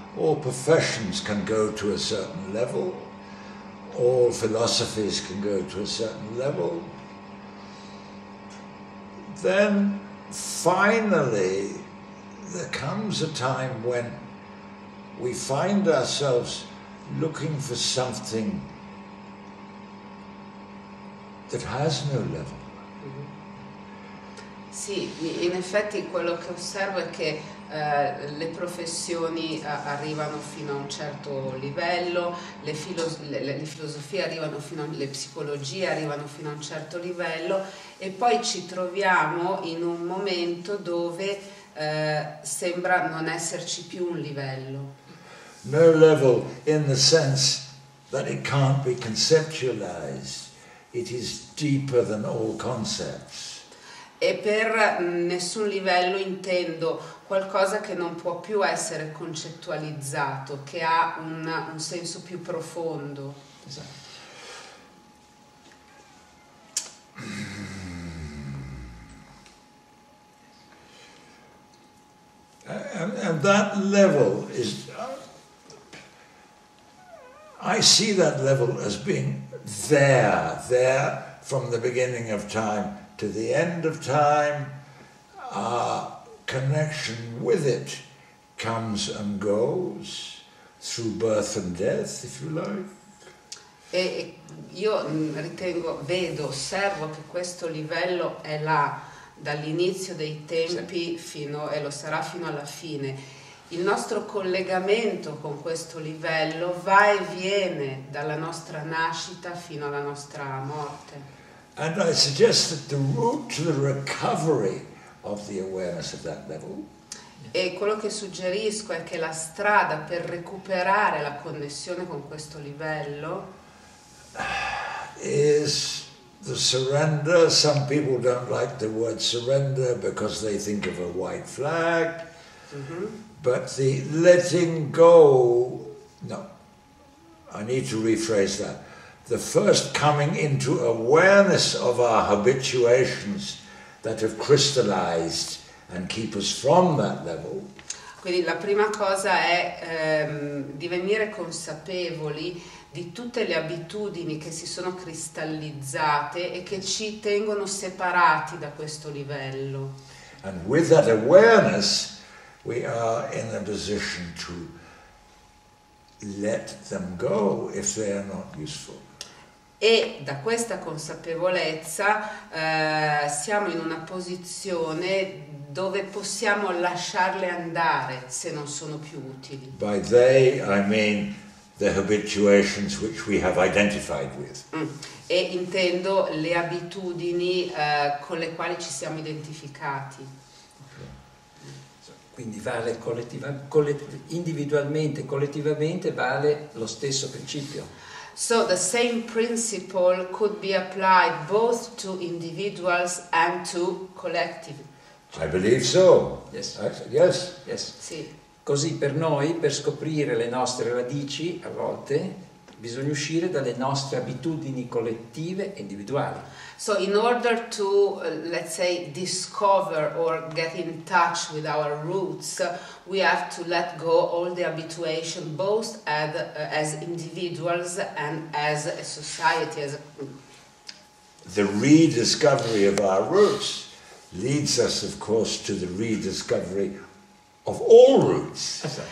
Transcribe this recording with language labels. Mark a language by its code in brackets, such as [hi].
[en] all professions can go to a certain level, all philosophies can go to a certain level, then finally there comes a time when we find ourselves looking for something that has no level. [it] Sì, in effetti quello che osservo è che le professioni arrivano fino a un certo livello, le filosofie arrivano fino a, le psicologie arrivano fino a un certo livello e poi ci troviamo in un momento dove sembra non esserci più un livello. [en] No level in the sense that it can't be conceptualized. It is deeper than all concepts. [it] E per nessun livello intendo qualcosa che non può più essere concettualizzato, che ha un senso più profondo. [en] And that level is, I see that level as being there from the beginning of time to the end of time. Our connection with it comes and goes through birth and death, if you like. [it] E io ritengo, vedo, osservo che questo livello è là dall'inizio dei tempi fino, e lo sarà fino alla fine. Il nostro collegamento con questo livello va e viene dalla nostra nascita fino alla nostra morte. [en] And I suggest that the route to the recovery of the awareness of that level. [it] E quello che suggerisco è che la strada per recuperare la connessione con questo livello [en] is the surrender. Some people don't like the word surrender because they think of a white flag. Mm-hmm. But the letting go, no, I need to rephrase that. The first coming into awareness of our habituations that have crystallized and keep us from that level. [it] Quindi la prima cosa è divenire consapevoli di tutte le abitudini che si sono cristallizzate e che ci tengono separati da questo livello. [en] And with that awareness, we are in a position to let them go if they are not useful. [it] E da questa consapevolezza siamo in una posizione dove possiamo lasciarle andare se non sono più utili. [en] By they I mean the habituations which we have identified with. Mm. [it] E intendo le abitudini con le quali ci siamo identificati. Quindi vale individualmente, collettivamente vale lo stesso principio. [en] So the same principle could be applied both to individuals and to collective. I believe so. Yes. Yes. [it] Sì. Così per noi, per scoprire le nostre radici, a volte bisogna uscire dalle nostre abitudini collettive e individuali. [en] So in order to, let's say, discover or get in touch with our roots, we have to let go all the habituation, both as individuals and as a society. As a... The rediscovery of our roots leads us, of course, to the rediscovery of all roots.